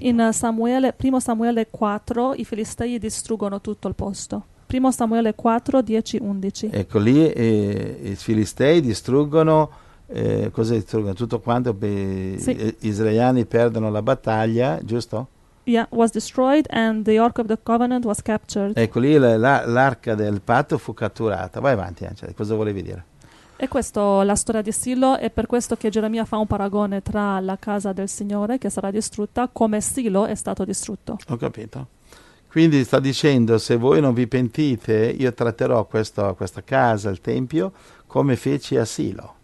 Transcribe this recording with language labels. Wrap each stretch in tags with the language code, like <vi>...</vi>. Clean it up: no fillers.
<it>In Samuele, 1 Samuele 4, i filistei distruggono tutto il posto. 1 Samuele 4, 10, 11. Ecco, lì i filistei distruggono... cosa distruggono? Tutto quanto gli israeliani perdono la battaglia, giusto?</it> <en>Yeah, was destroyed and the Ark of the Covenant was captured.</en> <it>Ecco lì l'arca del patto fu catturata. Vai avanti, Angela, cosa volevi dire? E questa è la storia di Silo, e per questo che Geremia fa un paragone tra la casa del Signore che sarà distrutta come Silo è stato distrutto. Ho capito. Quindi sta dicendo, se voi non vi pentite, io tratterò questa casa, il Tempio, come feci a Silo.</it>